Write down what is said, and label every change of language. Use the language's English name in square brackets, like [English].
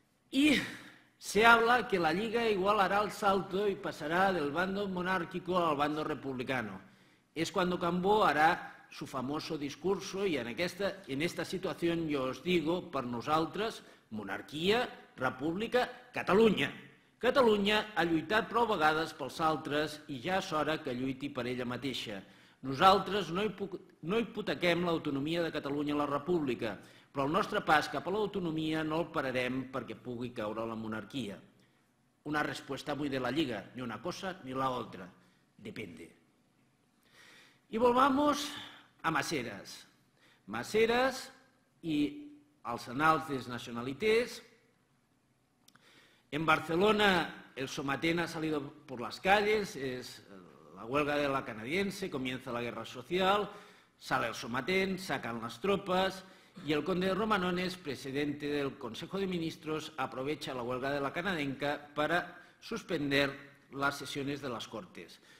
[Spanish] Y se habla que la Lliga igual hará el salto y pasará del bando monárquico al bando republicano. Es cuando Cambó hará su famoso discurso y en esta situación yo os digo, [Catalan] per nosaltres, monarquia, república, Catalunya. Catalunya ha lluitat prou vegades pels altres i ja és hora que lluiti per ella mateixa. Nosaltres no hipotequem l'autonomia de Catalunya a la república, però el nostre pas cap a l'autonomia no el pararem perquè pugui caure la monarquia. Una resposta avui de la Lliga, ni una cosa ni l'altra. [Spanish] Depende. I volvamos a Maseras. [Catalan] Maseras i els anals des nacionalités. [Spanish] En Barcelona el Somatén ha salido por las calles, es la huelga de la canadiense, comienza la guerra social, sale el Somatén, sacan las tropas, y el conde de Romanones, presidente del Consejo de Ministros, aprovecha la huelga de la canadenca para suspender las sesiones de las Cortes.